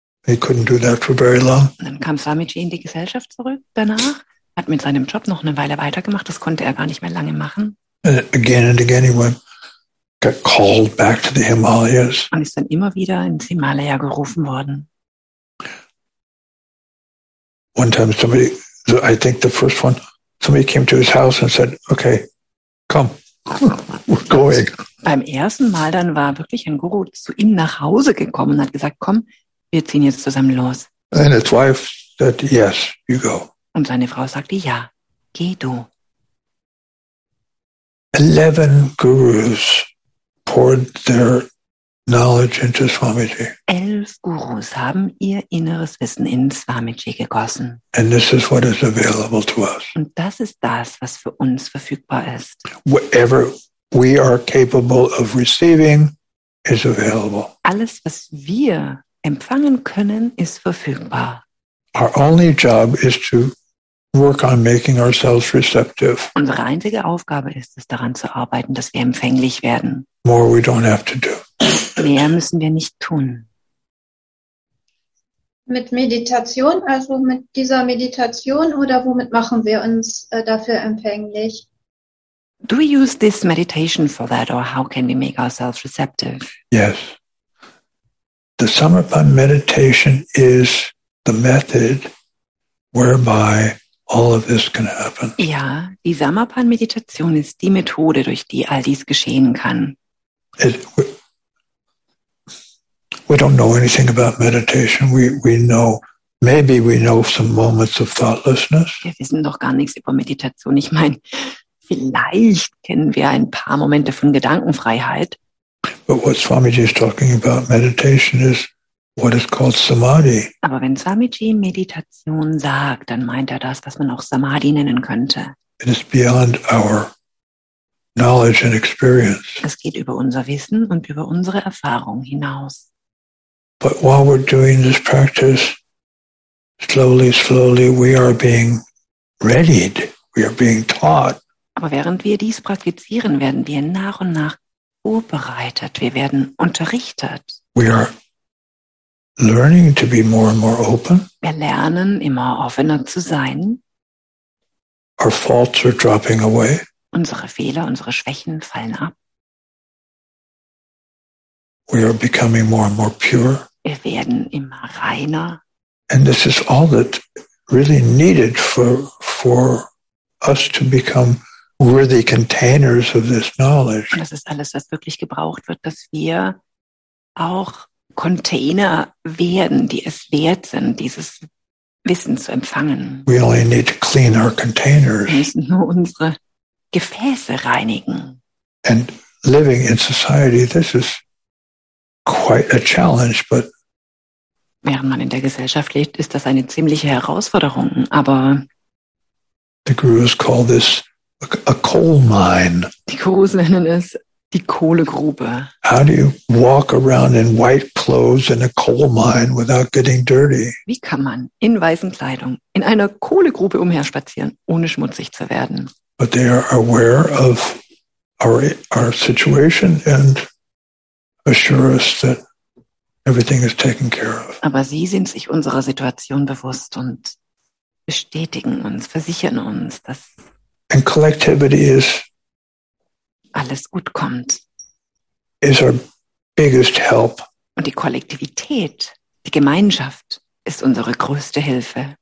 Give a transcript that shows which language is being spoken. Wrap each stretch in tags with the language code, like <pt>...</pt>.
<en>He couldn't do that for very long.</en> <de>Dann kam Swamiji in die Gesellschaft zurück danach, hat mit seinem Job noch eine Weile weitergemacht, das konnte er gar nicht mehr lange machen.</de> <en>And again and again he went, got called back to the Himalayas.</en> <de>Und ist dann immer wieder ins Himalaya gerufen worden.</de> <en>One time somebody came to his house and said, okay, come. We're going.</en> <de>Beim ersten Mal dann war wirklich ein Guru zu ihm nach Hause gekommen und hat gesagt, komm, wir ziehen jetzt zusammen los.</de> <en>And his wife said, yes, you go.</en> <de>Und seine Frau sagte, ja, geh du.</de> <en>11 Gurus poured their knowledge into Swamiji.</en> <de>11 Gurus haben ihr inneres Wissen in Swamiji gegossen.</de> <en>And this is what is available to us.</en> <de>Und das ist das, was für uns verfügbar ist.</de> <en>Whatever we are capable of receiving is available.</en> <de>Alles, was wir empfangen können, ist verfügbar.</de> <en>Our only job is to work on making ourselves receptive.</en> <de>Unsere einzige Aufgabe ist es, daran zu arbeiten, dass wir empfänglich werden.</de> <en>More we don't have to do.</en> <de>Mehr müssen wir nicht tun. Mit Meditation, also mit dieser Meditation, oder womit machen wir uns dafür empfänglich?</de> <en>Do we use this meditation for that, or how can we make ourselves receptive? Yes. The Samapan meditation is the method whereby all of this can happen.</en> <de>Ja, die Samapan-Meditation ist die Methode, durch die all dies geschehen kann.</de> <en>We don't know anything about meditation. We know, maybe we know some moments of thoughtlessness.</en> <de>Wir wissen doch gar nichts über Meditation. Ich meine, vielleicht kennen wir ein paar Momente von Gedankenfreiheit.</de> <en>But what Swamiji is talking about meditation is what is called Samadhi.</en> <de>Aber wenn Swamiji Meditation sagt, dann meint er das, was man auch Samadhi nennen könnte.</de> <en>It is beyond our knowledge and experience.</en> <de>Es geht über unser Wissen und über unsere Erfahrung hinaus.</de> <en>But while we're doing this practice, slowly, slowly, we are being readied. We are being taught.</en> <de>Aber während wir dies praktizieren, werden wir nach und nach vorbereitet. Wir werden unterrichtet.</de> <en>We are learning to be more and more open.</en> <de>Wir lernen, immer offener zu sein.</de> <en>Our faults are dropping away.</en> <de>Unsere Fehler, unsere Schwächen fallen ab.</de> <en>We are becoming more and more pure.</en> <de>Wir werden immer reiner.</de> <en>And this is all that really needed for us to become worthy containers of this knowledge.</en> <de>Und das ist alles, was wirklich gebraucht wird, dass wir auch Container werden, die es wert sind, dieses Wissen zu empfangen.</de> <en>We only need to clean our containers.</en> <de>Wir müssen nur unsere Gefäße reinigen.</de> <en>And living in society, this is quite a challenge, but</en> <de>während man in der Gesellschaft lebt, ist das eine ziemliche Herausforderung, aber</de> <en>the gurus call this a coal mine.</en> <de>Die Gurus nennen es die Kohlegrube.</de> <en>How do you walk around in white clothes in a coal mine without getting dirty?</en> <de>Wie kann man in weißen Kleidung in einer Kohlegrube umherspazieren, ohne schmutzig zu werden?</de> <en>But they are aware of our situation and assure us that everything is taken care of.</en> <de>Aber sie sind sich unserer Situation bewusst und bestätigen uns, versichern uns, dass</de> <en>and collectivity is</en> <de>alles gut kommt.</de> <en>Is our biggest help.</en> <de>Und die Kollektivität, die Gemeinschaft ist unsere größte Hilfe.</de>